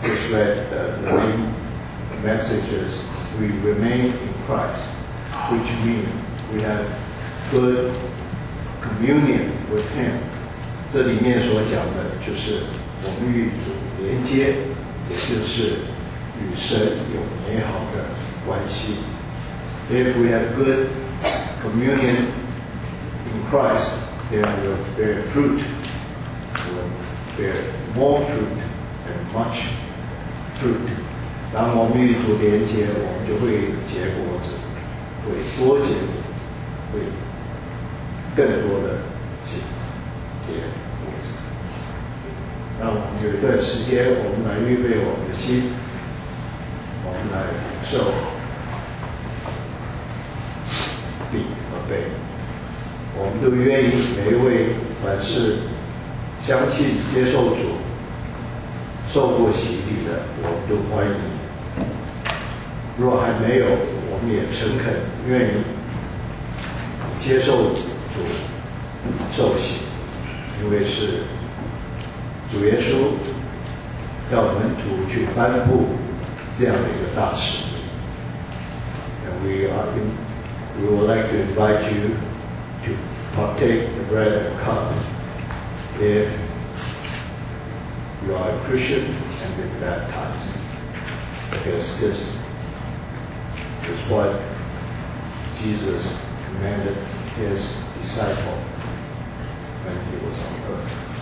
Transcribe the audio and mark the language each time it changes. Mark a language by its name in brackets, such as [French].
[English] read the main messages, we remain in Christ, which means we have good communion with Him. [Chinese] 这里面所讲的就是我们与主连接，也就是与神有美好的关系。 [English] If we have good communion in Christ, then we will bear fruit. We will bear more fruit and much fruit. [Chinese] 当我们与主连接，我们就会结果子，会多结果子，会更多的结果子。那我们有一段时间，我们来预备我们的心，我们来领受饼和杯。我们都愿意每一位凡是相信接受主受过洗礼的，我们都欢迎。若还没有，我们也诚恳愿意接受主受洗，因为是主耶稣要门徒去颁布这样的一个大使。 [English] And we are inWe would like to invite you to partake the bread and cup. If you are a Christian and been baptized, because this is what Jesus commanded his disciple when he was on earth.